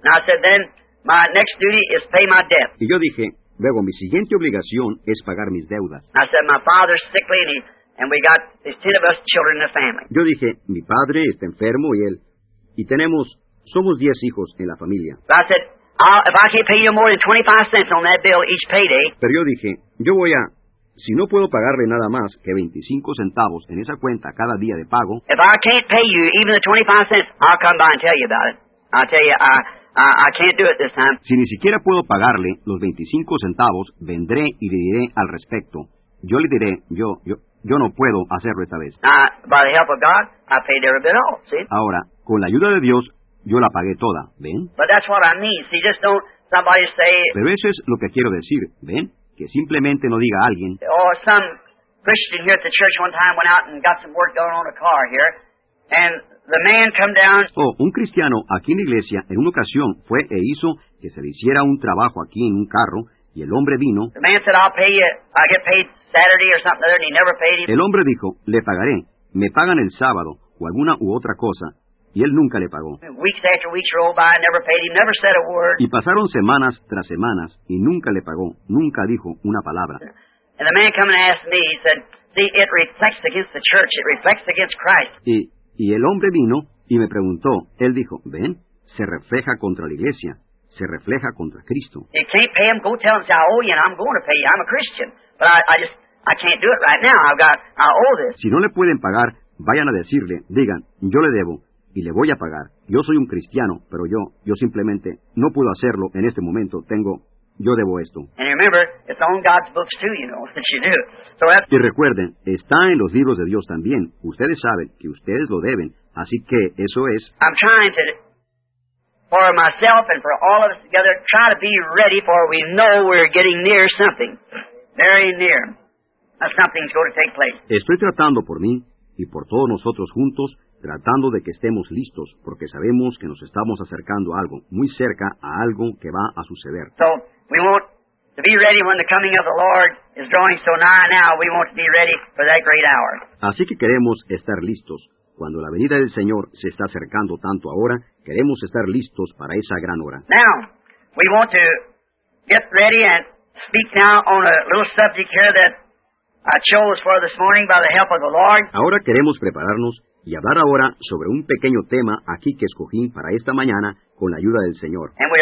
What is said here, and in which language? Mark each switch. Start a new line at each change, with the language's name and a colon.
English: Now, I said, then, my next duty is pay my debt.
Spanish: Y yo dije, luego, mi siguiente obligación es pagar mis deudas.
English: I said, my father's sickly and And we got these 10 of us children in the family.
Spanish: Yo dije, mi padre está enfermo y él. Y somos 10 hijos en la familia.
English: But I said, If I can't pay you more than 25 cents on that bill each payday.
Spanish: Pero yo dije, yo voy a... Si no puedo pagarle nada más que 25 centavos en esa cuenta cada día de pago...
English: If I can't pay you even the 25 cents, I'll come by and tell you about it. I'll tell you, I can't do it this time.
Spanish: Si ni siquiera puedo pagarle los 25 centavos, vendré y le diré al respecto. Yo le diré, yo no puedo hacerlo esta vez.
English: By the help of God, I paid every bit off, see?
Spanish: Ahora, con la ayuda de Dios... Yo la pagué toda, ¿ven?
English: But that's what I mean. See, just don't somebody say...
Spanish: Pero eso es lo que quiero decir, ¿ven? Que simplemente no diga a alguien...
English: Oh, some Christian here at the church one time went out and got some work done on a car here. And the man come down...
Spanish: Oh, un cristiano aquí en la iglesia en una ocasión fue e hizo que se le hiciera un trabajo aquí en un carro y el hombre vino...
English: The man said, I'll pay you. I get paid Saturday or something other, and he never paid him.
Spanish: El hombre dijo, le pagaré. Me pagan el sábado o alguna u otra cosa. Y él nunca le pagó.
English: Weeks after weeks rolled by, never paid him, never said a word.
Spanish: Y pasaron semanas tras semanas y nunca le pagó, nunca dijo una palabra.
English: And the man came and asked me, he said, see, it reflects against the church, it reflects against Christ.
Spanish: Y el hombre vino y me preguntó, él dijo, ven, se refleja contra la iglesia, se refleja contra Cristo.
English: If you can't pay him, go tell him, say, I owe you and I'm going to pay you, I'm a Christian. But I can't do it right now, I owe this.
Spanish: Si no le pueden pagar, vayan a decirle, digan, yo le debo. Y le voy a pagar. Yo soy un cristiano, pero yo simplemente no puedo hacerlo en este momento. Yo debo esto.
English: And remember, it's on God's books too, you know, that you do. So that's...
Spanish: Y recuerden, está en los libros de Dios también. Ustedes saben que ustedes lo deben. Así que eso es...
English: I'm trying to, for myself and for all of us together, try to be ready for we know we're getting near something. Very near. Something's going to take place.
Spanish: Estoy tratando por mí y por todos nosotros juntos... Tratando de que estemos listos, porque sabemos que nos estamos acercando a algo, muy cerca a algo que va a suceder.
English: So, we want to be ready when the coming of the Lord is drawing so nigh now, we want to be ready for that great hour.
Spanish: Así que queremos estar listos. Cuando la venida del Señor se está acercando tanto ahora, queremos estar listos para esa gran hora.
English: Now, we want to get ready and speak now on a little subject here that I chose for this morning by the help of the Lord.
Spanish: Ahora queremos prepararnos y hablar ahora sobre un pequeño tema aquí que escogí para esta mañana con la ayuda del Señor.